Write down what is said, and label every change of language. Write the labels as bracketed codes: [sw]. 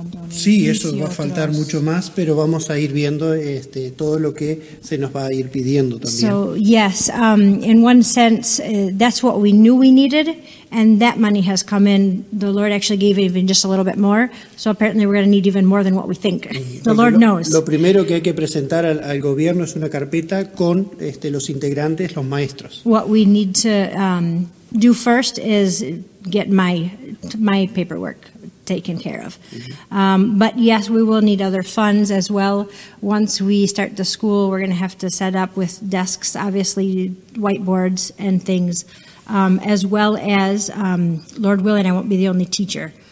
[es] Sí, eso va a faltar mucho más, pero vamos a ir viendo todo lo que se nos va a ir pidiendo también. [en] So, yes, in one sense, that's what we knew we needed, and that money has come in. The Lord actually gave even just a little bit more, so apparently we're going to need even more than what we think. The Lord knows. [es] Lo primero que hay que presentar al gobierno es una carpeta con los integrantes, los maestros. [en] What we need to do first is get my paperwork taken care of. But yes, we will need other funds as well. Once we start the school, we're going to have to set up with desks, obviously, whiteboards and things, as well as, Lord willing, I won't be the only teacher.